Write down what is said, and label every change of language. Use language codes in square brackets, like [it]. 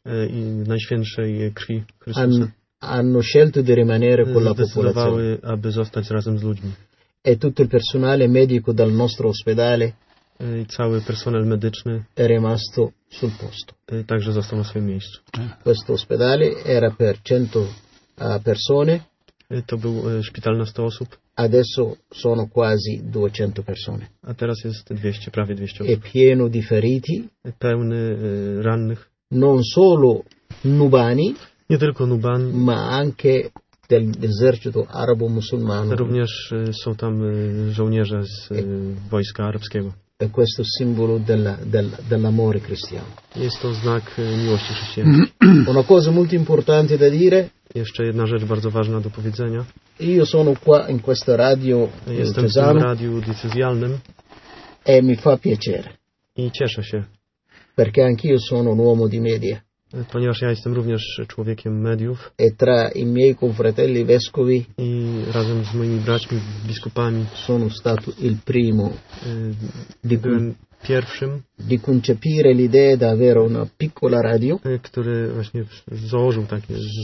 [pl] i najświętszej krwi Chrystusa. [it] Hanno scelto di rimanere con la popolazione, [pl] aby zostać razem z ludźmi. [it] E tutto il personale medico del nostro ospedale [pl] I cały personel medyczny [it] è rimasto sul posto. [pl] Także został na swoim miejscu. [it] Questo ospedale era per 100 persone. [pl] To był szpital na 100 osób. [it] Adesso sono quasi 200 persone. [pl] A teraz jest 200, prawie 200 osób. [it] È pieno di feriti. [pl] Pełny rannych. [it] Non solo nubani. [pl] Nie tylko nubani. [it] Ma anche del deserto arabo musulmano. [pl] Również są tam żołnierze z wojska arabskiego. [it] E questo simbolo dell'amore cristiano. [pl] Jest to znak miłości chrześcijańskiej. [it] Una cosa molto importante da dire. [pl] Jeszcze jedna rzecz bardzo ważna do powiedzenia. [it] Io sono qua in questo radio. [pl] Jestem [it] diocesano, [pl] w tym radiu diecezjalnym. [it] E mi fa piacere. [pl] I cieszę się. [it] Perché anch'io sono un uomo di media. [pl] Ponieważ ja jestem również człowiekiem mediów. [it] E tra i miei confratelli vescovi. [pl] I razem z moimi braćmi biskupami. [it] Sono stato il primo. [pl] Byłem pierwszym. [it] Di concepire l'idea di avere una piccola radio. [pl] Który właśnie założył takie.